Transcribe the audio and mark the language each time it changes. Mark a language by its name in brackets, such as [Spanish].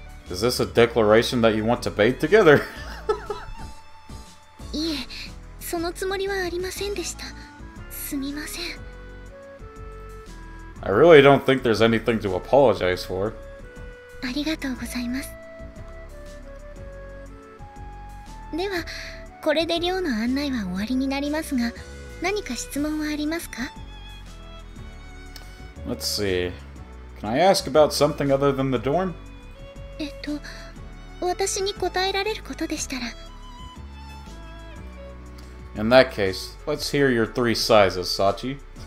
[English] Is this a declaration that you want to bathe together? [Japanese] いえ、そのつもりはありませんでした。すみません。 [English] I really don't think there's anything to apologize for. [Japanese] ありがとうございます。では、これで寮の案内は終わりになりますが、何か質問はありますか? [English] Let's see. Can I ask about something other than the dorm? [Japanese] 私に答えられることでしたら。 [English] In that case, let's hear your three sizes, Sachi.